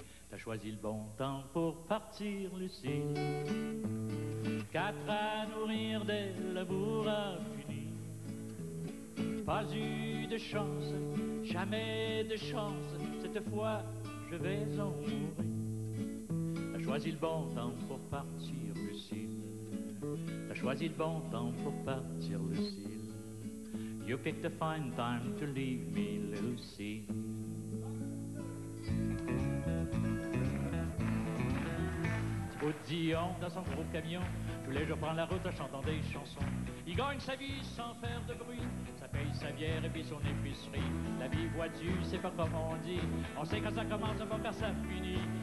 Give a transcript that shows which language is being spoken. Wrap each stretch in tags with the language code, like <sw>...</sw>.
<fr>T'as choisi le bon temps pour partir, Lucie. Quatre à nourrir dès le bourre a fini. Pas eu de chance, jamais de chance. Cette fois, je vais en mourir. T'as choisi le bon temps pour partir, Lucille. T'as choisi le bon temps pour partir, Lucille.</fr> <en>You picked a fine time to leave me, Lucille.</en> <fr>Odillon dans son gros camion, tous les jours prend la route en chantant des chansons. Il gagne sa vie sans faire de bruit, ça paye sa bière et puis son épicerie. La vie, vois-tu, c'est pas comme on dit, on sait quand ça commence, pas quand ça finit.</fr>